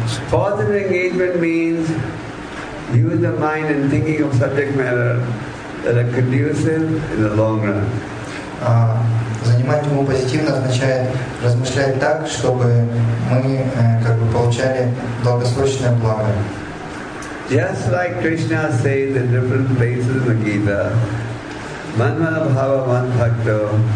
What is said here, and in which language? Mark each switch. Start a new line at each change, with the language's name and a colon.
English: Positive engagement means use the mind in thinking of subject matter that are conducive in the long run.
Russian: Занимать ум позитивно означает размышлять так, чтобы мы как бы получали долгосрочное благо.
English: Just like Krishna says in different places in the Gita,
Sanskrit: Manma Bhava Man Bhakto.